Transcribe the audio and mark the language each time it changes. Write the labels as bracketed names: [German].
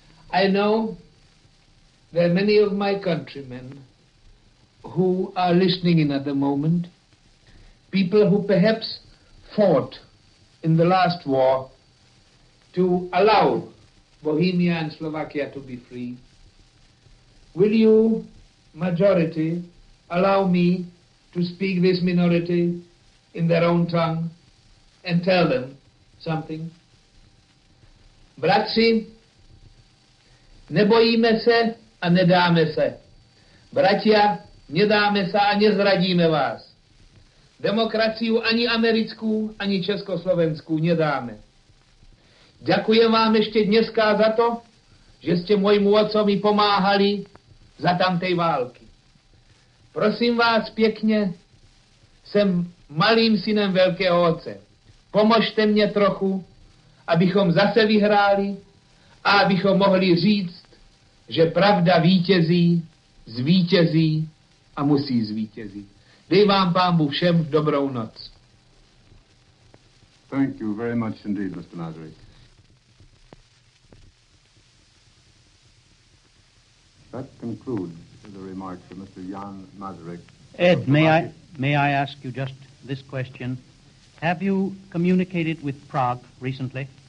[English] I know there are many of my countrymen who are listening in at the moment, people who perhaps fought in the last war to allow Bohemia and Slovakia to be free. Will you, majority, allow me to speak this minority in their own tongue and tell them something? [Czech] Bratři, nebojíme se a nedáme se. [Slovak] Bratia, nedáme se a nezradíme vás. Demokraciu ani americkou, ani československou nedáme. Ďakujem vám ještě dneska za to, že jste mojmu otcovi pomáhali za tamtej války. [Czech] Prosím vás pěkně, jsem malým synem velkého otce. Pomožte mě trochu, abychom zase vyhráli a abychom mohli říct, že pravda vítězí, zvítězí a musí zvítězit. Dej vám pánbu všem dobrou noc. [English] Thank you very much indeed, Mr. Nazarek. That concludes the remarks of Mr. Jan Masaryk. Ed, may I ask you just this question? Have you communicated with Prague recently?